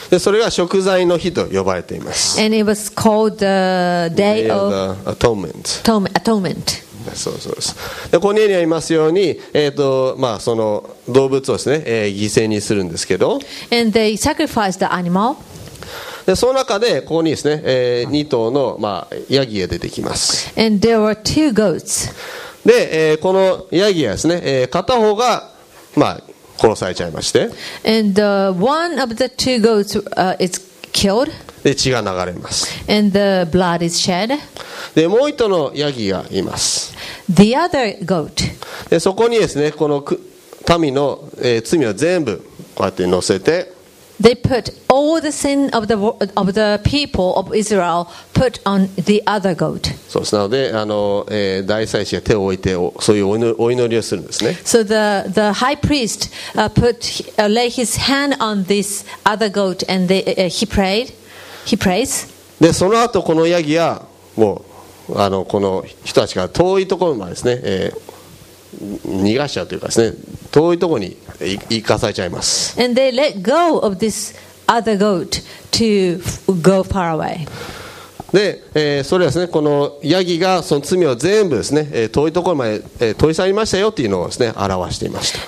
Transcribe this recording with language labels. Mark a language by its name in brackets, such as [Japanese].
[Japanese] でそれが食材の日と呼ばれています。 [English] And it was called the Day of Atonement. [Japanese] そうそうです。でここにありますように、まあ、その動物をですね、犠牲にするんですけど、 [English] And they sacrifice the animal. [Japanese] でその中でここにですね、2頭の、まあ、ヤギが出てきます。 [English] And there were two goats. [Japanese] で、このヤギはですね、片方が、まあ、殺されちゃいまして、 [English] And one of the two goats is killed. [Japanese] で血が流れます。 [English] And the blood is shed. [Japanese] でもう一頭のヤギがいます。 [English] The other goat. [Japanese] でそこにですね、この民の、罪を全部こうやって乗せて、 [English] They put all the sin of the people of Israel put on the other goat. [Japanese] そうですね。なので大祭司が手を置いてそういうお祈りをするんですね。 [English] So the high priest lay his hand on this other goat and he prays. [Japanese] でその後このヤギはもうこの人たちから遠いところまでですね、逃がしちゃうというかですね、遠いところに行かされちゃいます。 [English] And they let go of this other goat to go far away. [Japanese] で、それはですね、このヤギがその罪を全部ですね、遠いところまで、遠い去りましたよっていうのをですね、表していました。